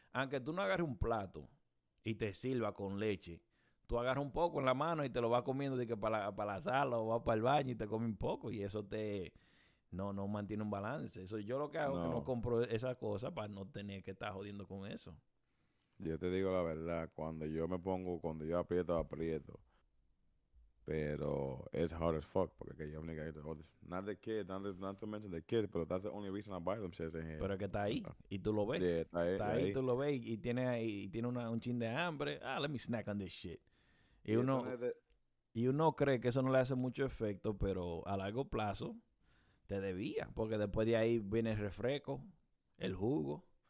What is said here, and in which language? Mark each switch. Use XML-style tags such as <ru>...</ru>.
<es>Aunque tú no agarres un plato y te sirva con leche, tú agarras un poco en la mano y te lo vas comiendo de que para la sala o vas para el baño y te comes un poco y eso te... No, no mantiene un balance. Eso yo lo que hago es que no No. compro esa cosa para no tener que estar jodiendo con eso. Yo te digo la verdad, cuando yo aprieto, aprieto. Pero es</es> <en>hard as fuck,</en> <es>porque yo</es> <en>only got all this. Not the kid, not to mention the kid, but that's the only reason I buy them shit in here.</en> <es>Pero es que está ahí y tú lo ves. Está ahí, está ahí, ahí. tú lo ves y tiene ahí, y tiene un chin de hambre.</es> <en>Ah, let me snack on this shit. Y</en> <es>Y esto no es de. uno cree que eso no le hace mucho efecto, pero a largo plazo te debía, porque después de ahí viene el refresco, el jugo.</es>